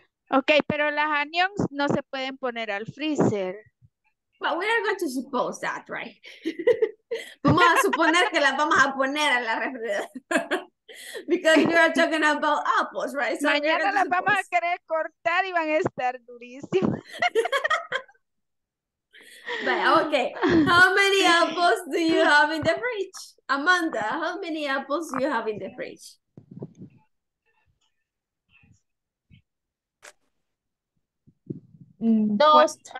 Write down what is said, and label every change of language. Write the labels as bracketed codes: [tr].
[es] Ok, pero las onions no se pueden poner al freezer. [en] But we are going to suppose that, right? [es] Vamos a suponer que las vamos a poner a la refrigeradora. [en] Because you are talking about apples, right? [es] So mañana las vamos a querer cortar y van a estar durísimas. [en] But, okay, how many apples do you have in the fridge? Amanda, how many apples do you have in the fridge? [es] Dos.